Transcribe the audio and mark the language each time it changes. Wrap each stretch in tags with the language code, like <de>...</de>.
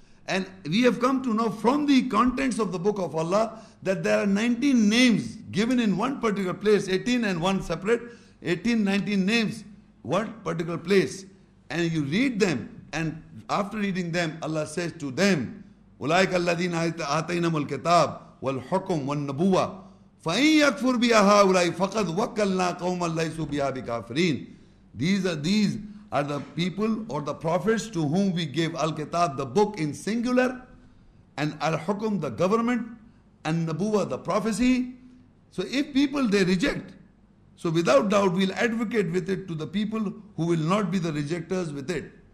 <en>And we have come to know from the contents of the book of Allah that there are 19 names given in one particular place, 18 and one separate, 18, 19 names, one particular place. And you read them, and after reading them, Allah says to them,</en> <ar>أولئك الذين آتيناهم الكتاب والحكم والنبوة فإن يكفر بها هؤلاء فقد وكلنا قوما ليسوا بها بكافرين.</ar> <en>These are the people or the prophets to whom we gave Al-Kitab, the book in singular, and Al-Hukum, the government, and Nabuwa, the prophecy. So if people, they reject, so without doubt we'll advocate with it to the people who will not be the rejectors with it.</en>